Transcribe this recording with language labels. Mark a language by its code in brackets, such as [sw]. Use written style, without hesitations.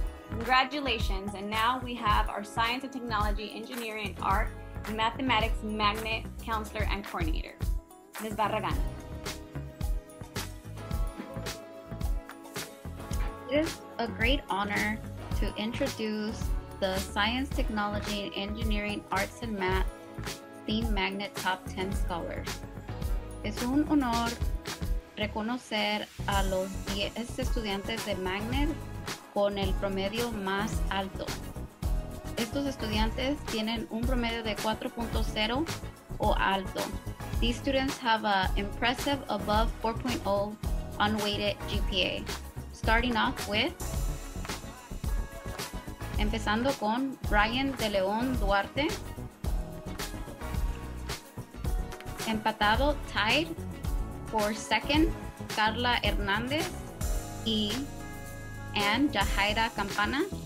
[en] Congratulations, and now we have our Science and Technology, Engineering and Art, Mathematics Magnet Counselor and Coordinator, Ms. Barragan. It is a great honor to introduce the Science, Technology, Engineering, Arts, and Math Theme Magnet Top 10 Scholars. [es] Es un honor reconocer a los 10 estudiantes de Magnet con el promedio más alto. Estos estudiantes tienen un promedio de 4.0 o alto. [en] These students have an impressive above 4.0 unweighted GPA. Starting off with, [es] empezando con [en] Brian De León Duarte, empatado tied for second, Carla Hernández y Jahaira Campana.